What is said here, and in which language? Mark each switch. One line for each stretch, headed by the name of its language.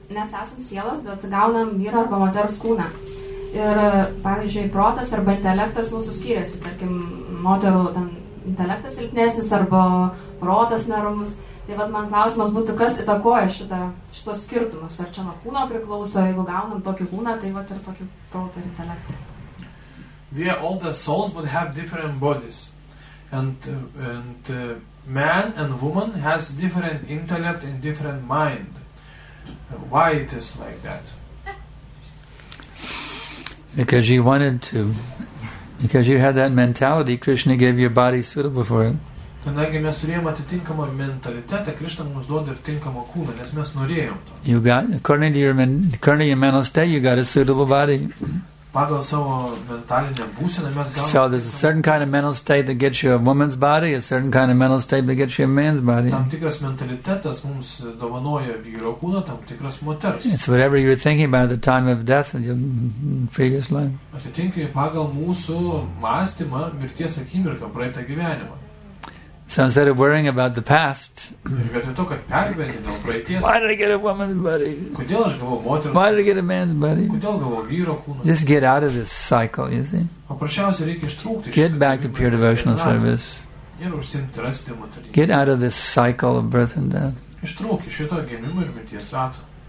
Lithuanian: Mes esam sielos, bet gaunam vyro arba moters kūną. Ir, pavyzdžiui, protas arba intelektas mūsų skiriasi, tarkim, moterų ten intelektas silpnesnis arba protas neramus. Tai vat man klausimas būtų, kas įtakoja šitos skirtumus, ar čia nuo kūno priklauso, jeigu gaunam tokį kūną, tai vat ir tokį protą ir intelektą.
English: We are all the souls, but have different bodies. And man and woman has different intellect and different mind. Why it is like that? Because you wanted to. Because you had that mentality, Krishna gave you a body suitable for it.
Lithuanian: Kadangi mes turėjom atitinkamą mentalitetą, Krišna mums duoda ir tinkamą kūną, nes mes norėjom to.
English: You got, according to your mental state, you got a suitable body.
Lithuanian: Pagal savo mentalinę būseną mes galime.
English: So there's a certain kind of mental state that gets you a woman's body, a certain kind of mental state that gets you a man's body.
Lithuanian: Tam tikras mentalitetas mums dovanoja vyro kūną, tam tikras moters.
English: It's whatever you're thinking about at the time of death in your previous life.
Lithuanian: Atitinkai pagal mūsų mąstymą mirties akimirką praeitą gyvenimą.
English: So instead of worrying about the past, why did I get a woman's body?
Lithuanian: Kodėl aš gavau moterų?
English: Why did I get a man's body?
Lithuanian: Kodėl gavau vyro kūną?
English: Just get out of this cycle, you see.
Lithuanian: Paprasčiausiai reikia ištrūkti.
English: Get back to pure devotional service.
Lithuanian: Ir užsimti rasti moterį.
English: Get out of this cycle of birth and death.
Lithuanian: Ištrūk iš šito gimimo ir mirties rato.